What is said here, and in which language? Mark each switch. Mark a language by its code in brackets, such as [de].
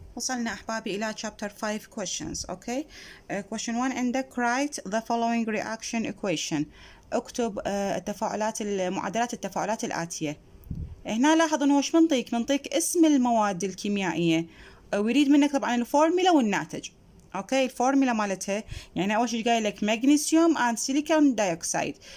[ar] وصلنا أحبابي إلى [en] chapter 5 questions. okay, question 1 [ar] عندك [en] write the following reaction equation. [ar] اكتب التفاعلات معادلات التفاعلات الآتية. هنا لاحظ إنه وش منطيك؟ منطيك اسم المواد الكيميائية ويريد منك طبعا الفورميلا والناتج. اوكي الفورميلا مالتها يعني اول شيء قايل لك مغنيسيوم [en] And silicon dioxide.